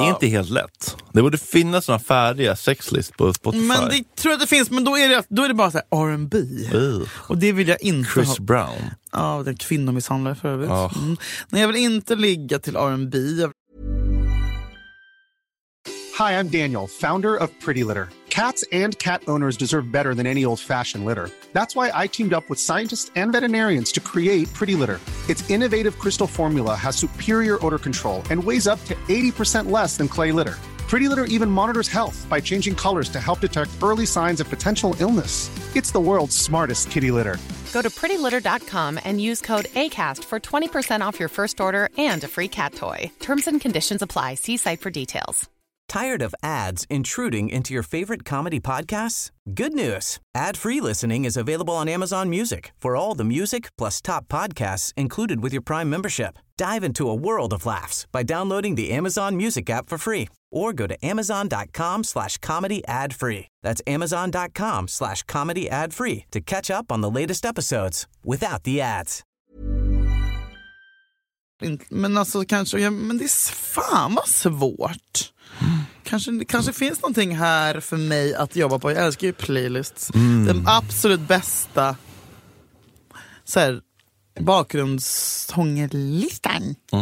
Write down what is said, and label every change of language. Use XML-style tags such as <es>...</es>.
<sv>Det är inte helt lätt. Det borde finnas såna färdiga sexlist på Spotify. Men det tror jag det finns. Men då är det bara så här R&B. Och det vill jag inte Chris ha. Brown. Ja, den kvinnomisshandlare för övrigt. Nej, jag vill inte ligga till R&B.</sv> <en>Hi, I'm Daniel, founder of Pretty Litter. Cats and cat owners deserve better than any old-fashioned litter. That's why I teamed up with scientists and veterinarians to create Pretty Litter. Its innovative crystal formula has superior odor control and weighs up to 80% less than clay litter. Pretty Litter even monitors health by changing colors to help detect early signs of potential illness. It's the world's smartest kitty litter. Go to prettylitter.com and use code ACAST for 20% off your first order and a free cat toy. Terms and conditions apply. See site for details. Tired of ads intruding into your favorite comedy podcasts? Good news! Ad-free listening is available on Amazon Music for all the music plus top podcasts included with your Prime membership. Dive into a world of laughs by downloading the Amazon Music app for free or go to amazon.com/comedyadfree. That's amazon.com/comedyadfree to catch up on the latest episodes without the ads.</en> <sv>Men alltså kanske, ja, men det är fan vad svårt. Kanske finns någonting här för mig att jobba på. Jag älskar ju playlists. Den absolut bästa såhär bakgrundssångerlistan.</sv>